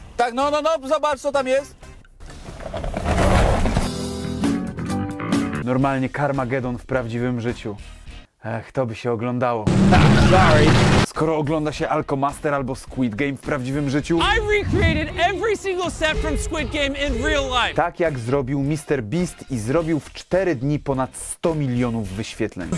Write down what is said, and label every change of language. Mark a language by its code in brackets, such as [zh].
[pl] Tak, no, zobacz, co tam jest. Normalnie Carmageddon w prawdziwym życiu. Ech, to by się oglądało. [en] Sorry. [pl] Skoro ogląda się Alcomaster albo Squid Game w prawdziwym życiu... [en] I recreated every single set from Squid Game in real life. [pl] Tak jak zrobił Mr. Beast i zrobił w 4 dni ponad 100 milionów wyświetleń.